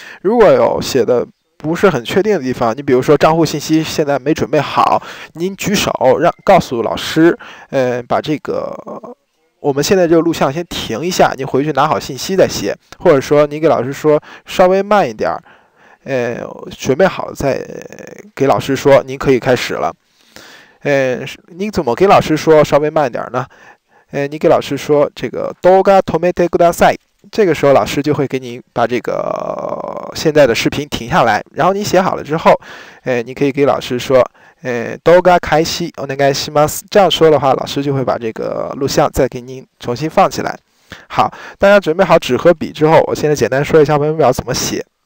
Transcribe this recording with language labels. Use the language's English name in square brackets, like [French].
[Chinese] 如果有写的不是很确定的地方，你比如说账户信息现在没准备好，您举手让告诉老师，把这个我们现在这个录像先停一下，您回去拿好信息再写，或者说您给老师说稍微慢一点，准备好再给老师说，您可以开始了。你怎么给老师说稍微慢一点呢？你给老师说这个 [Japanese] 動画止めてください。 [Chinese] 这个时候老师就会给你把这个现在的视频停下来，然后你写好了之后，你可以给老师说 [Japanese] 動画開始お願いします。 [Chinese] 这样说的话，老师就会把这个录像再给您重新放起来。好，大家准备好纸和笔之后，我现在简单说一下报名表怎么写。